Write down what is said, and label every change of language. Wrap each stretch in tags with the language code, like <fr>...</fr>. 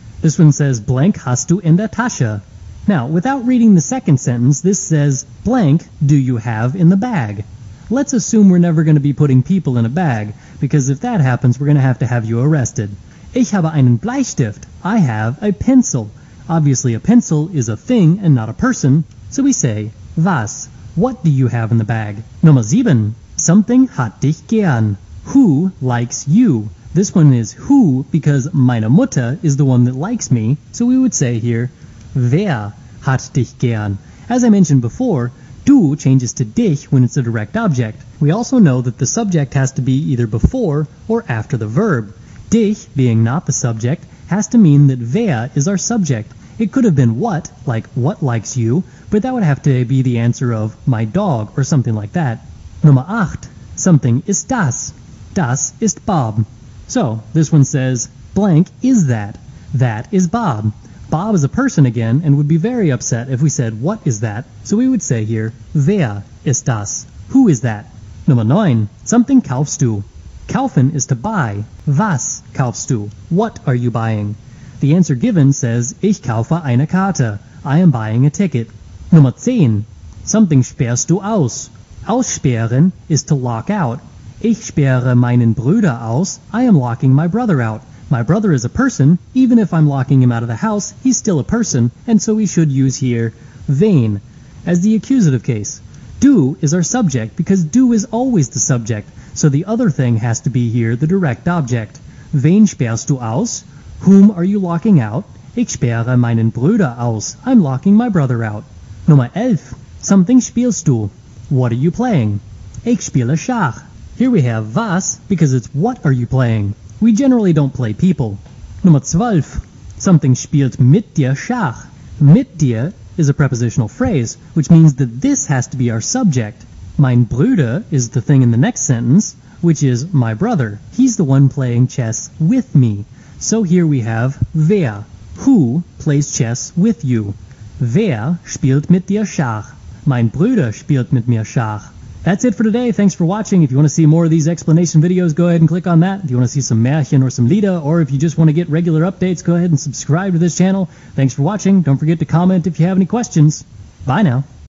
<en>This one says, blank</en> <de>hast du in der Tasche.</de> <en>Now, without reading the second sentence, this says, blank, do you have in the bag? Let's assume we're never going to be putting people in a bag, because if that happens, we're going to have you arrested.</en> <de>Ich habe einen Bleistift.</de> <en>I have a pencil. Obviously, a pencil is a thing and not a person, So we say, was, what do you have in the bag?</en> <de>Nummer 7, something hat dich gern.</de> <en>Who likes you? This one is who because meine Mutter is the one that likes me. So we would say here,</en> <de>wer hat dich gern?</de> <en>As I mentioned before, du changes to dich when it's a direct object. We also know that the subject has to be either before or after the verb. Dich, being not the subject, has to mean that wer is our subject. It could have been what, like what likes you, but that would have to be the answer of my dog or something like that.</en> <de>Nummer 8, something ist das. Das ist Bob.</de> <en>So, this one says, blank is that. That is Bob. Bob is a person again and would be very upset if we said, what is that? So we would say here,</en> <de>wer ist das?</de> <en>Who is that? Nummer 9, something</en> <de>kaufst du.</de> <en>Kaufen is to buy.</en> <de>Was kaufst du?</de> <en>What are you buying? The answer given says,</en> <de>ich kaufe eine Karte.</de> <en>I am buying a ticket. Nummer 10, something</en> <de>sperrst du aus.</de> <en>Aussperren is to lock out.</en> <de>Ich sperre meinen Bruder aus.</de> <en>I am locking my brother out. My brother is a person. Even if I'm locking him out of the house, he's still a person, and so we should use here wen as the accusative case. Du is our subject because du is always the subject, so the other thing has to be here the direct object.</en> <de>Wen sperrst du aus?</de> <en>Whom are you locking out?</en> <de>Ich sperre meinen Bruder aus.</de> <en>I'm locking my brother out. Nummer 11. Something</en> <de>spielst du?</de> <en>What are you playing?</en> <de>Ich spiele Schach.</de> <en>Here we have was because it's what are you playing. We generally don't play people.</en> <de>Nummer 12. Something spielt mit dir Schach.</de> <en>Mit dir is a prepositional phrase, which means that this has to be our subject. Mein Bruder is the thing in the next sentence, which is my brother. He's the one playing chess with me. So here we have wer. Who plays chess with you?</en> <de>Wer spielt mit dir Schach? Mein Bruder spielt mit mir Schach.</de> <en>That's it for today. Thanks for watching. If you want to see more of these explanation videos, go ahead and click on that. If you want to see some Märchen or some Lieder, or if you just want to get regular updates, go ahead and subscribe to this channel. Thanks for watching. Don't forget to comment if you have any questions. Bye now.</en>